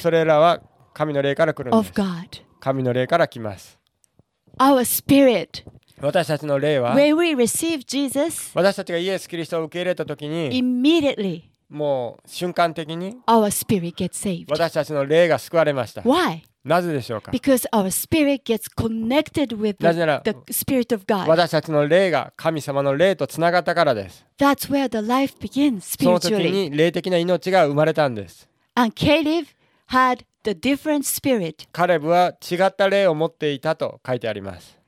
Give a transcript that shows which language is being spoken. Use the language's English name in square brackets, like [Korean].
[Japanese] それらは神の霊から来るんです。 [English] Of God、 [Japanese] 神の霊から来ます。 [English] Our Spirit、 [Japanese] 私たちの霊は、 [English] when we receive Jesus、 [Japanese] 私たちがイエス・キリストを受け入れたときに、 [English] immediately、 [Japanese] もう瞬間的に、 [English] our Spirit gets saved、 [Japanese] 私たちの霊が救われました。 [English] Why? [Japanese] なぜでしょうか? [English] Because our spirit gets connected with the spirit of God. [Japanese] 私たちの霊が神様の霊とつながったからです。 [English] That's where the life begins spiritually. [Japanese] その時に霊的な命が生まれたんです。 [English] And Caleb had the different spirit. [Japanese] カレブは違った霊を持っていたと書いてあります。